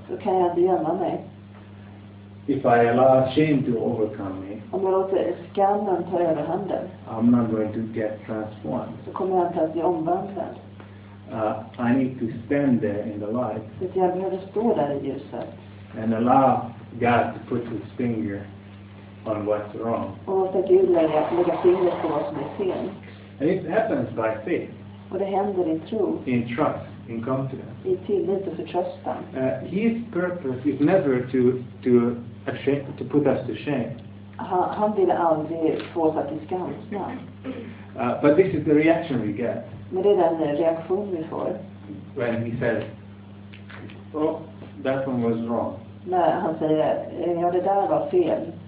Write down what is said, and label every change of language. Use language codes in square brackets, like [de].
[sv] Då kan jag inte gömma mig. [en] If I allow shame to overcome me. [sv] Om jag låter skammen ta över handen. [en] I'm not going to get transformed. [sv] Så kommer jag inte att bli omvandlad. [en] I need to stand there in the light. [sv] Så jag behöver stå där i ljuset. [en] And allow God to put his finger on what's wrong. [sv] Och låta Gud lägga fingret på vad som är fel. [en] And it happens by faith. [sv] Och det händer i tro. [en] In trust, in confidence. [sv] I tillit och förtröstan. [en] His purpose is never to put us to shame. [sv] Han vill aldrig få oss att bli skamsna. [en] But this is the reaction we get. [sv] Men det är den reaktion vi får. [en] When he says, oh, that one was wrong. [sv] När han säger, ja det där var fel.